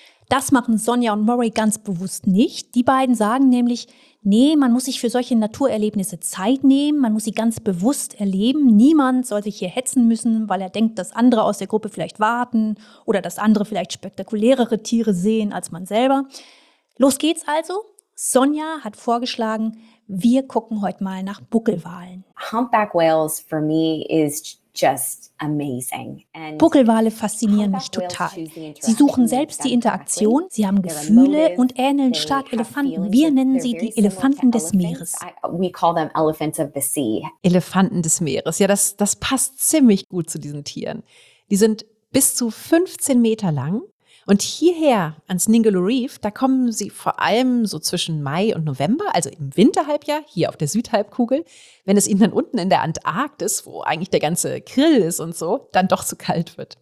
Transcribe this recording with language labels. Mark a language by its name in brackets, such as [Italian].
[German] Das machen Sonja und Murray ganz bewusst nicht. Die beiden sagen nämlich, nee, man muss sich für solche Naturerlebnisse Zeit nehmen, man muss sie ganz bewusst erleben. Niemand soll sich hier hetzen müssen, weil er denkt, dass andere aus der Gruppe vielleicht warten oder dass andere vielleicht spektakulärere Tiere sehen als man selber. Los geht's also. Sonja hat vorgeschlagen, wir gucken heute mal nach Buckelwalen. [English] Humpback whales for me is just amazing. [German] Buckelwale faszinieren mich total. Sie suchen selbst die Interaktion, sie haben Gefühle und ähneln stark Elefanten. Wir nennen sie die Elefanten des Meeres. [English] We call them elephants of the sea. [German] Elefanten des Meeres, ja, das passt ziemlich gut zu diesen Tieren. Die sind bis zu 15 Meter lang und hierher ans Ningaloo Reef, da kommen sie vor allem so zwischen Mai und November, also im Winterhalbjahr hier auf der Südhalbkugel. Wenn es ihnen dann unten in der Antarktis, wo eigentlich der ganze Krill ist und so, dann doch zu kalt wird.